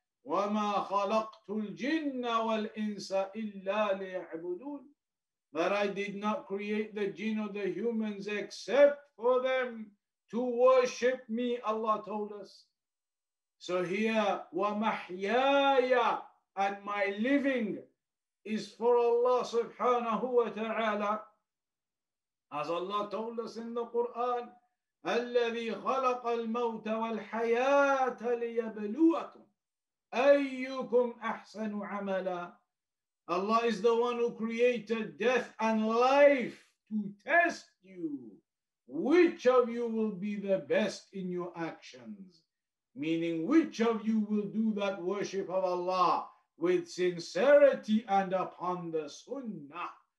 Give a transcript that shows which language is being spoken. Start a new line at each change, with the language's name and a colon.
Arabic: وَمَا خَلَقْتُ الْجِنَّ وَالْإِنسَ إِلَّا لِيَعْبُدُونَ,
English: that I did not create the jinn or the humans except for them to worship me, Allah told us. So here,
Arabic: وَمَحْيَايَا,
English: and my living is for Allah subhanahu wa ta'ala. As Allah told us in the Quran,
Arabic: الَّذِي خَلَقَ الْمَوْتَ وَالْحَيَاةَ لِيَبْلُوَكُمْ أَيُّكُمْ أَحْسَنُ عَمَلًا.
English: Allah is the one who created death and life to test you, which of you will be the best in your actions, meaning which of you will do that worship of Allah with sincerity and upon the sunnah.